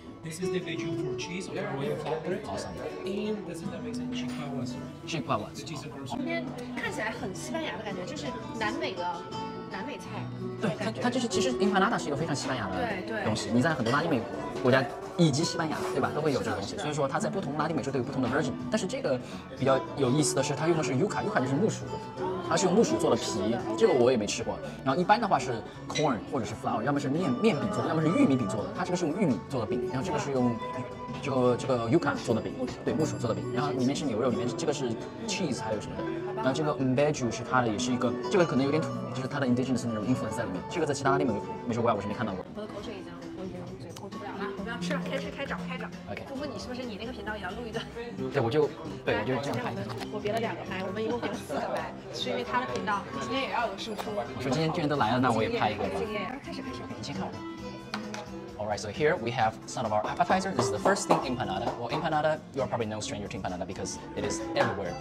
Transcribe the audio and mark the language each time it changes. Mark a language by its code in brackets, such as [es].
[en] This is the vegetable for cheese or royal flatbread. Awesome. And this is the amazing chihuahuas. Chihuahuas. [zh] 今天看起来很西班牙的感觉，就是南美菜。对，它就是其实 empanada 是一个非常西班牙的东西，对，你在很多拉丁美国家以及西班牙，对吧，都会有这个东西，所以说它在不同拉丁美洲都有不同的 version。但是这个比较有意思的是，它用的是 yuca 就是木薯，它是用木薯做的皮，这个我也没吃过。然后一般的话是 corn 或者是 flour， 要么是面饼做的，要么是玉米饼做的，它这个是用玉米做的饼，然后这个是用这个 yuca 做的饼，对，木薯做的饼，然后里面是牛肉，里面这个是 cheese 还有什么的。然后这个 mbeju 是它的，也是一个，这个可能有点土，就是它的 indigenous 那种 influence 在里面。这个在其他拉丁美洲国家我是没看到过。我的口水已经嘴控制不了了，我们要吃了，开找。 OK。夫妇，你是不是你那个频道也要录一段？对，我就这样拍。我别了2个麦，我们一共点4个麦，是因为他的频道今天也要有输出。我说今天既然都来了，那我也拍一个吧。开始，你先看我。 [en] Alright, so here we have some of our appetizer. This is the first thing, empanada. Well, empanada, you are probably no stranger to empanada because it is everywhere.